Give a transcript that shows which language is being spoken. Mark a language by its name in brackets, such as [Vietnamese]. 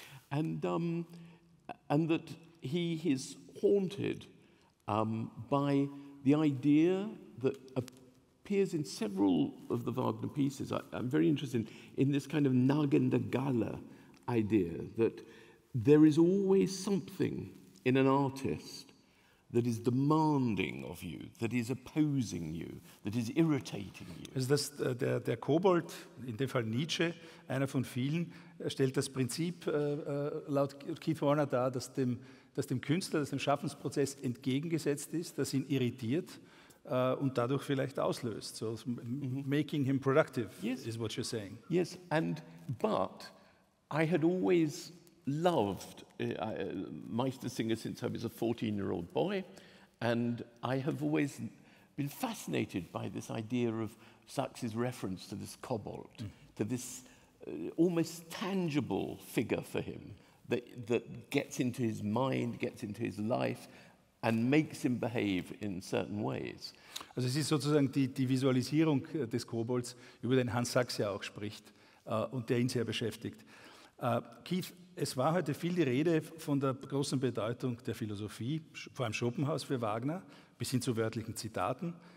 [English] And that he is haunted by the idea that appears in several of the Wagner pieces. I'm very interested in this kind of [German] nagende Galle [English] idea that there is always something in an artist that is demanding of you, that is opposing you, that is irritating you. [German] Also das, der Kobold, in dem Fall Nietzsche, einer von vielen, stellt das Prinzip laut Keith Warner dar, dass dem Künstler, dass dem Schaffensprozess entgegengesetzt ist, das ihn irritiert und dadurch vielleicht auslöst. [English] So making him productive, yes, is what you're saying. Yes, but I had always loved Meistersinger since I was a 14-year-old boy, and I have always been fascinated by this idea of Sachs's reference to this kobold, to this almost tangible figure for him that gets into his mind, gets into his life, and makes him behave in certain ways. [German] Also es ist sozusagen die Visualisierung des Kobolds, über den Hans Sachs ja auch spricht und der ihn sehr beschäftigt. Keith, es war heute viel die Rede von der großen Bedeutung der Philosophie, vor allem Schopenhaus für Wagner, bis hin zu wörtlichen Zitaten.